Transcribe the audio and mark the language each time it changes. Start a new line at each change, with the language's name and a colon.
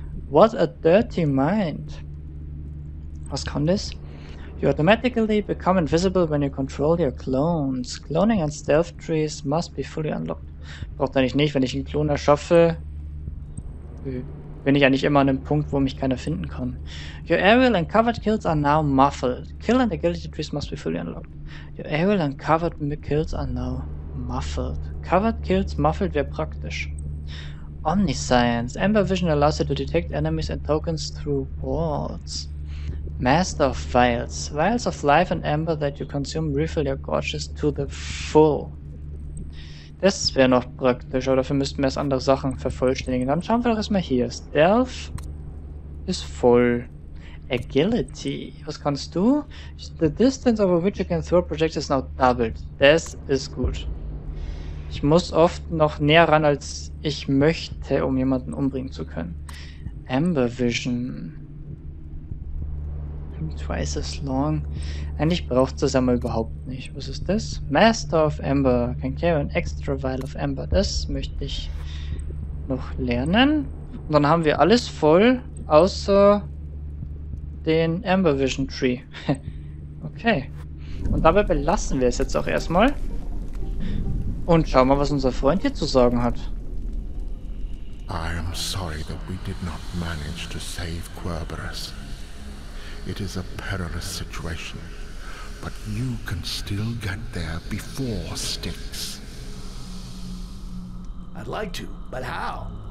English: What a dirty mind.
German: Was kann das?
English: You automatically become invisible when you control your clones. Cloning and stealth trees must be fully unlocked.
German: Braucht eigentlich nicht, wenn ich einen Klon erschaffe. bin ich eigentlich immer an dem Punkt, wo mich keiner finden kann.
English: Your aerial and covered kills are now muffled. Kill and agility trees must be fully unlocked. Your aerial and covered kills are now muffled.
German: Covered kills muffled wäre praktisch. Omniscience.
English: Amber Vision allows you to detect enemies and tokens through walls. Master of Vials. Vials of life and amber that you consume refill your gorges to the full.
German: Das wäre noch praktisch, aber dafür müssten wir erst andere Sachen vervollständigen. Dann schauen wir doch erstmal hier. Stealth ist voll. Agility. Was kannst du?
English: The distance over which you can throw projectiles is now doubled.
German: Das ist gut. Ich muss oft noch näher ran, als ich möchte, um jemanden umbringen zu können.
English: Amber Vision. Twice as long.
German: Eigentlich braucht es das aber überhaupt nicht. Was ist das?
English: Master of Ember. Can carry an extra vial of Ember.
German: Das möchte ich noch lernen. Und dann haben wir alles voll, außer den Ember Vision Tree. Okay. Und dabei belassen wir es jetzt auch erstmal. Und schauen mal, was unser Freund hier zu sagen hat.
English: I am sorry that we did not manage to save Querberus. It is a perilous situation, but you can still get there before Styx. I'd like to, but how?